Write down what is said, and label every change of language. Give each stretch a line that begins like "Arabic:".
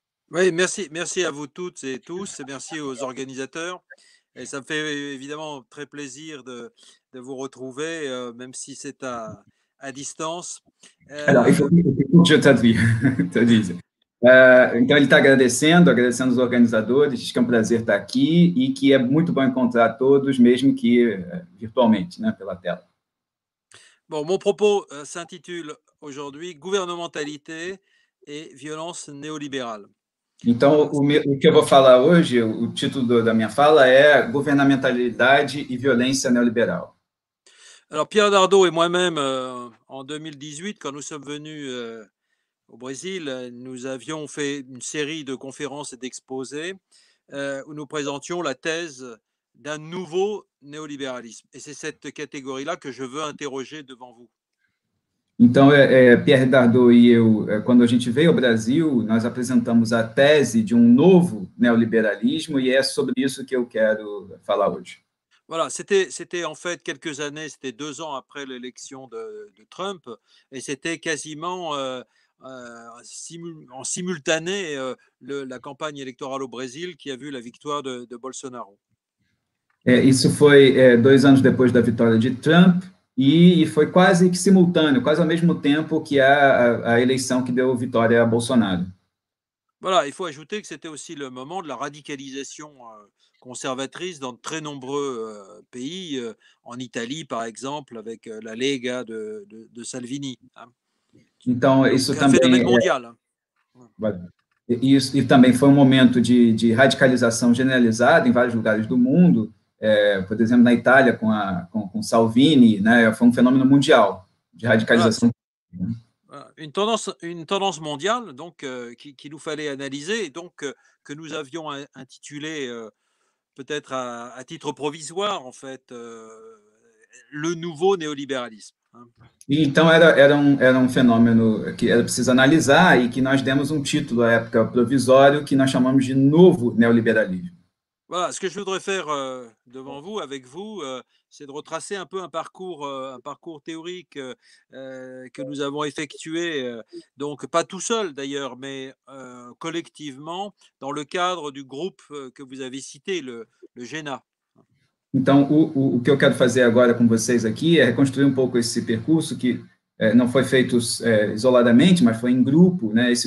French: Oui, merci, merci à vous toutes et tous, et merci aux organisateurs. Et ça me fait évidemment très plaisir de vous retrouver, même si c'est à distance. Alors, il faut que je traduise.
Portuguese: Então, ele está agradecendo os organizadores, diz que é um prazer estar aqui e que é muito bom encontrar todos, mesmo que virtualmente, né, pela tela.
French: Bon, mon propos s'intitule aujourd'hui Gouvernementalité et violence néolibérale.
Portuguese: Então, o que eu vou falar hoje, o título da minha fala é Governamentalidade e Violência Neoliberal.
French: Alors, Pierre Dardot et moi-même, en 2018, quand nous sommes venus au Brésil, nous avions fait une série de conférences et d'exposés où nous présentions la thèse d'un nouveau néolibéralisme. Et c'est cette catégorie-là que je veux interroger devant vous.
Portuguese: Então, Pierre Dardot e eu, quando a gente veio ao Brasil, nós apresentamos a tese de um novo neoliberalismo e é sobre isso que eu quero falar hoje.
French: Voilà, c'était en fait quelques années, c'était 2 ans après l'élection de Trump, et c'était quasiment en simultané la campagne électorale au Brésil qui a vu la victoire de Bolsonaro.
Portuguese: Isso foi 2 anos depois da vitória de Trump. E foi quase que simultâneo, quase ao mesmo tempo que a eleição que deu vitória a Bolsonaro.
French: Voilà, il faut ajouter que c'était aussi le moment de la radicalisation conservatrice dans de très nombreux pays, en Italie par exemple, avec la Lega de Salvini, hein,
Portuguese: Então,
French: qui est un phénomène mondial.
Portuguese: isso também foi um momento de radicalização generalizada em vários lugares do mundo. Por exemplo, na Itália, com Salvini, né? Foi um fenômeno mundial de
French: Voilà.
Portuguese: radicalização.
French: Une tendance mondiale donc qui nous fallait analyser et donc que nous avions intitulé peut-être à titre provisoire en fait le nouveau néolibéralisme.
Portuguese: Então, era um fenômeno que era preciso analisar e que nós demos um título à época provisório, que nós chamamos de novo neoliberalismo.
French: Voilà, ce que je voudrais faire devant vous, avec vous, c'est de retracer un peu un parcours théorique que nous avons effectué, donc pas tout seul d'ailleurs, mais collectivement, dans le cadre du groupe que vous avez cité, le GENA.
Portuguese: Então, o que eu quero fazer agora com vocês aqui é reconstruir um pouco esse percurso que não foi feito isoladamente, mas foi em grupo, né?